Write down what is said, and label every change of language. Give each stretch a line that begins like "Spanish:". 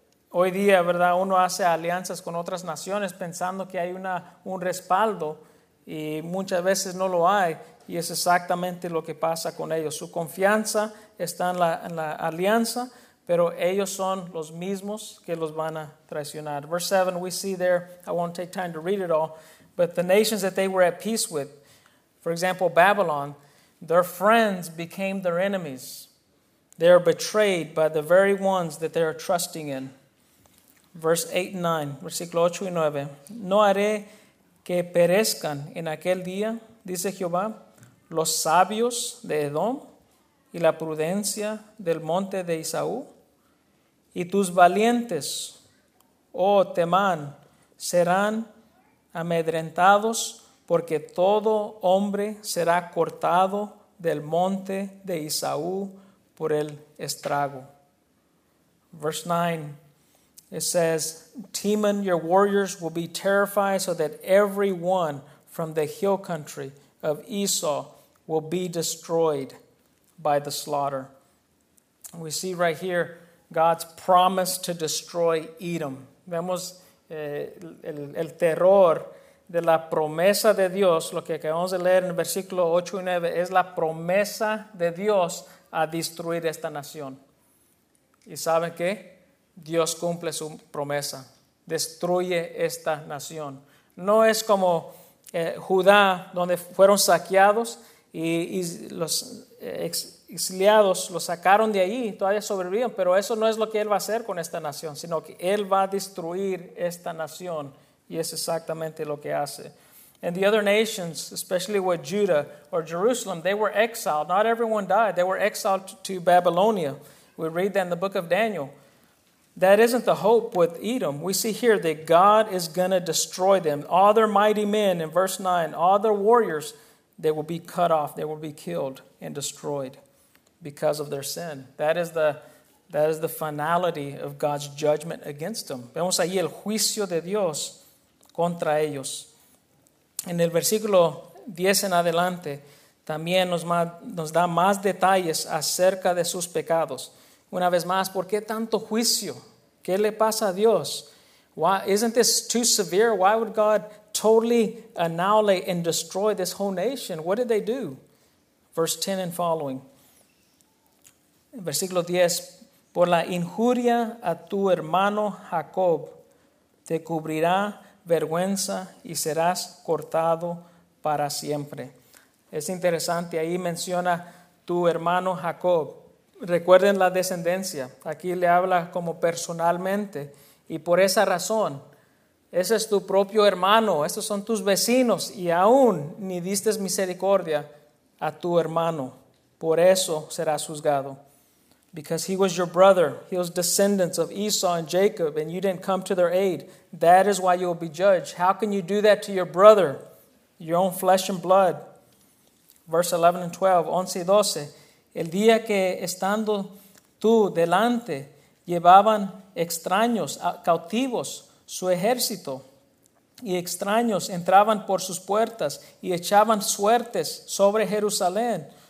Spanish: Hoy día, ¿verdad? Uno hace alianzas con otras naciones pensando que hay un respaldo y muchas veces no lo hay. Y es exactamente lo que pasa con ellos. Su confianza está en la alianza, pero ellos son los mismos que los van a traicionar.
English: Verse 7, we see there, I won't take time to read it all, but the nations that they were at peace with, for example, Babylon, their friends became their enemies. They are betrayed by the very ones that they are trusting in. Verse 8 and 9,
Spanish: versículo 8 y 9. No haré que perezcan en aquel día, dice Jehová, los sabios de Edom y la prudencia del monte de Esaú. Y tus valientes, oh Temán, serán amedrentados porque todo hombre será cortado del monte de Esaú por el estrago.
English: Verse 9. It says, Teman, your warriors will be terrified so that everyone from the hill country of Esau will be destroyed by the slaughter. We see right here God's promise to destroy Edom.
Spanish: Vemos el terror de la promesa de Dios. Lo que acabamos de leer en el versículo 8 y 9 es la promesa de Dios a destruir esta nación. ¿Y saben qué? Dios cumple su promesa. Destruye esta nación. No es como Judá, donde fueron saqueados y los exiliados los sacaron de allí, todavía sobrevivieron, pero eso no es lo que él va a hacer con esta nación, sino que él va a destruir esta nación, y es exactamente lo que hace.
English: And the other nations, especially with Judah or Jerusalem, they were exiled. Not everyone died. They were exiled to Babylonia. We read that in the book of Daniel. That isn't the hope with Edom. We see here that God is going to destroy them. All their mighty men, in verse 9, all their warriors, they will be cut off. They will be killed and destroyed because of their sin. That is the finality of God's judgment against them.
Spanish: Vemos ahí el juicio de Dios contra ellos. En el versículo 10 en adelante, también nos da más detalles acerca de sus pecados. Una vez más, ¿por qué tanto juicio? ¿Qué le pasa a Dios?
English: Why isn't this too severe? Why would God totally annihilate and destroy this whole nation? What did they do? Verse 10 and following.
Spanish: Versículo 10. Por la injuria a tu hermano Jacob, te cubrirá vergüenza y serás cortado para siempre. Es interesante, ahí menciona tu hermano Jacob. Recuerden la descendencia. Aquí le habla como personalmente. Y por esa razón, ese es tu propio hermano. Estos son tus vecinos. Y aún ni diste misericordia a tu hermano. Por eso serás juzgado.
English: Because he was your brother. He was descendants of Esau and Jacob. And you didn't come to their aid. That is why you will be judged. How can you do that to your brother? Your own flesh and blood. Verse 11 and 12.
Spanish: 11 y 12. El día que estando tú delante, llevaban extraños cautivos su ejército, y extraños entraban por sus puertas y echaban suertes sobre Jerusalén.